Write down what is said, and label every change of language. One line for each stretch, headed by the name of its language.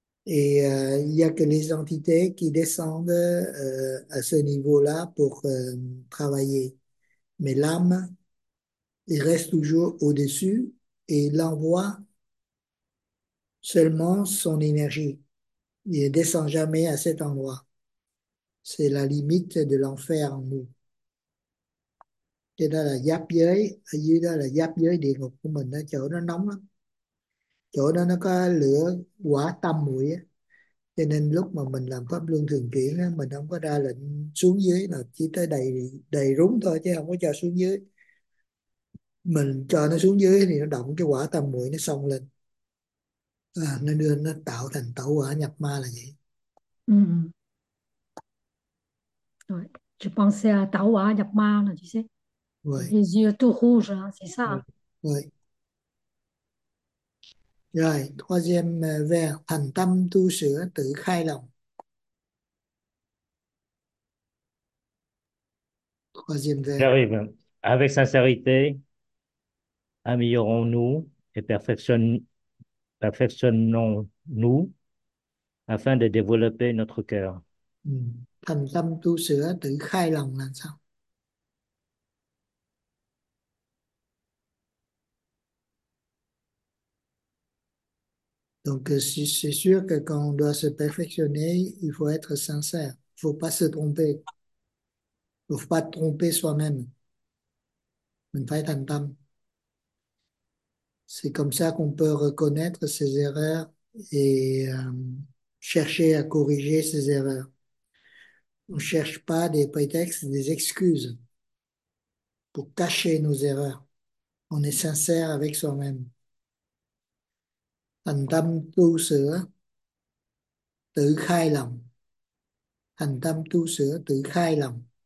French: Et il n'y a que les entités qui descendent à ce niveau-là pour travailler. Mais l'âme, il reste toujours au-dessus et il envoie seulement son énergie. Il ne descend jamais à cet endroit. C'est la limite de l'enfer en nous.
Vietnamese: Cái đó là giáp giới, ở dưới đó là giáp giới địa ngục của mình, ở chỗ nó nóng lắm. Chỗ đó nó có lửa quả tam muội á. Cho nên lúc mà mình làm pháp luân thường chuyển á, mình không có ra lệnh xuống dưới, là chỉ tới đầy đầy rúng thôi chứ không có cho xuống dưới. Mình cho nó xuống dưới thì nó động cái quả tam muội nó xông lên. À, nó đưa nó tạo thành tẩu quả nhập ma là vậy.
French: Ouais. Je pensais à Tawa, il y a pas mal, tu sais. Oui. Les yeux tout rouges, hein, c'est ça. Oui.
Vietnamese: Rồi,
French: troisième vers,
Vietnamese: thành tâm tu sửa tự khai lòng.
French: Troisième vers. J'arrive. Avec sincérité, améliorons-nous et perfectionnons-nous afin de développer notre cœur.
Vietnamese: Thành tâm tu sửa tự khai lòng là sao?
French: Donc, c'est sûr que quand on doit se perfectionner, il faut être sincère. Il ne faut pas se tromper. Il ne faut pas tromper soi-même. Mais faire
Vietnamese: thành tâm.
French: C'est comme ça qu'on peut reconnaître ses erreurs et chercher à corriger ses erreurs. On ne cherche pas des prétextes, des excuses pour cacher nos erreurs. On est sincère avec soi-même.
Vietnamese: Thành tâm tu sửa tự khai lòng. Thành tâm tu sửa tự khai lòng.